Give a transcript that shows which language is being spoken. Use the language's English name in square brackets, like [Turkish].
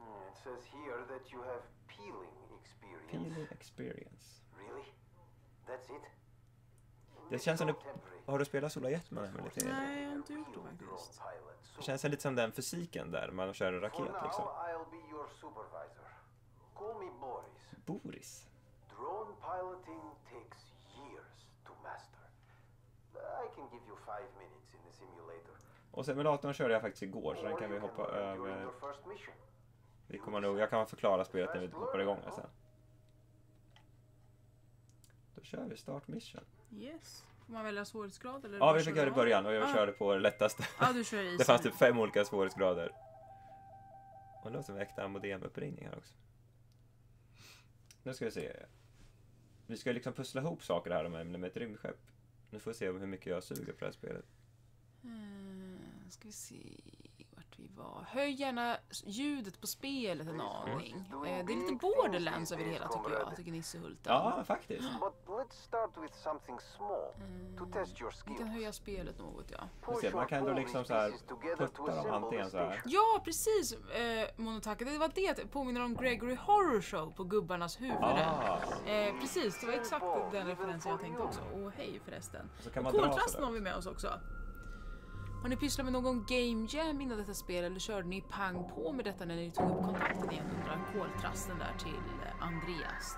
[English] It says here that you have peeling experience. Peeling experience. Really? That's it? [Swedish] Det känns som du... Har du spelat Sola Jetman? Nej, jag har inte gjort det faktiskt. Det känns lite som den fysiken där. Man kör en raket liksom. [English] For now, I'll be your supervisor. Call me Boris. Boris? Drone piloting takes years to master. I can give you 5 minutes in the simulator. [Swedish] Och simulatorn körde jag faktiskt igår, så den kan vi hoppa över... Vi kommer nog, jag kan förklara spelet när vi hoppar igång här sen. Då kör vi start mission. Yes. Får man välja svårighetsgrad eller? Ja, vi fick göra det i början och jag körde på det lättaste. Ja, du kör i. Det fanns typ 5 olika svårighetsgrader. Och det låter som äkta modemuppringning här också. Nu ska vi se. Vi ska liksom pussla ihop saker här med ett rymdskepp. Nu får vi se hur mycket jag suger på det här spelet. Ska vi se. Höj gärna ljudet på spelet en aning. Det är lite Borderlands över det hela tycker jag, tycker Nisse Hulten. Ja, faktiskt. [English] But let's start with something small to test your skills. [Swedish] Vi kan höja spelet något, ja. Man kan då liksom så här putta dem antingen så här. Ja, precis. Monotaka, det var det jag påminner om Gregory Horror Show på gubbarnas huvud. Precis, det var exakt den referensen jag tänkte också. Och hej förresten. Och koltrasten har vi med oss också. Har ni pysslat med någon game jam innan detta spel, eller körde ni pang på med detta när ni tog upp kontakten igen och drar koltrasten där till Andreas?